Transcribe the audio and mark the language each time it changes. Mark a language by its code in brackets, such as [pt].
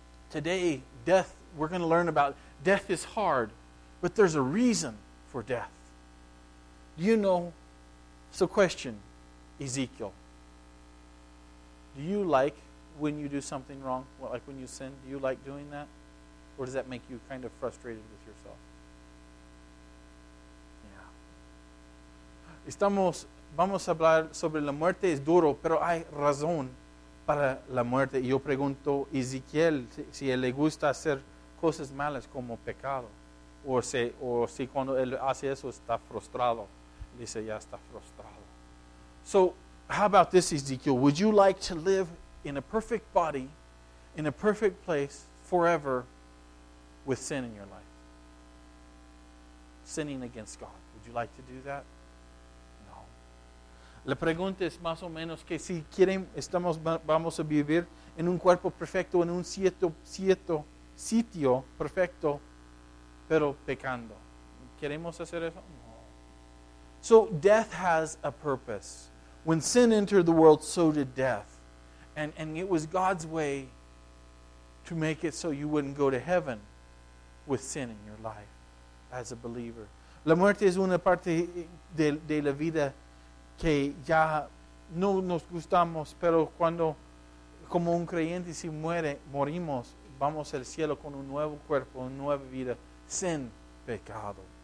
[en] Today, death, we're going to learn about death is hard, but there's a reason for death. Do you know? So question, Ezekiel. Do you like when you do something wrong, like when you sin, do you like doing that? Or does that make you kind of frustrated with yourself? Yeah. [es] Vamos a hablar sobre la muerte es duro, pero hay razón para la muerte. Yo pregunto a Ezequiel si él le gusta hacer cosas malas como pecado. O si cuando él hace eso está frustrado. Dice, ya está frustrado. [en] So, how about this, Ezequiel? Would you like to live in a perfect body, in a perfect place, forever, with sin in your life? Sinning against God. Would you like to do that? No. [es] La pregunta es más o menos que si quieren, vamos a vivir en un cuerpo perfecto, en un cierto sitio perfecto, pero pecando. ¿Queremos hacer eso? No. [en] So death has a purpose. When sin entered the world, so did death. And it was God's way to make it so you wouldn't go to heaven with sin in your life as a believer. [es] La muerte es una parte de la vida que ya no nos gustamos, pero cuando, como un creyente, si muere, morimos, vamos al cielo con un nuevo cuerpo, una nueva vida, sin pecado.